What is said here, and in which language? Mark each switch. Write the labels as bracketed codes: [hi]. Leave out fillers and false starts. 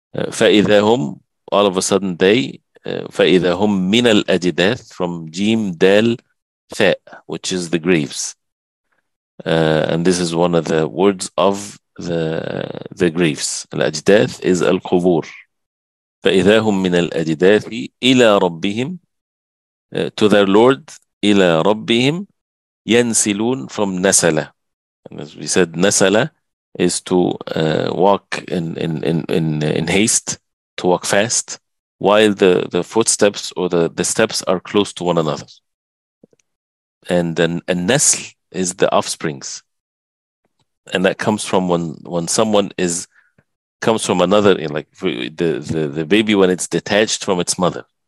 [ar] فإذا هم, [en] all of a sudden they, [ar] فإذا هم من الأجداث, [en] from جيم دال ثاء, which is the graves. And this is one of the words of the graves. [ar] الأجداث is القبور. فإذا هم من الأجداث إلى ربهم, [en] to their Lord, [ar] إلى ربهم, ينسلون from نسلة. [en] And as we said, نسلة is to walk in haste, to walk fast, while the footsteps or the steps are close to one another. And then النسل is the offsprings. And that comes from when someone is comes from another, like the baby when it's detached from its mother.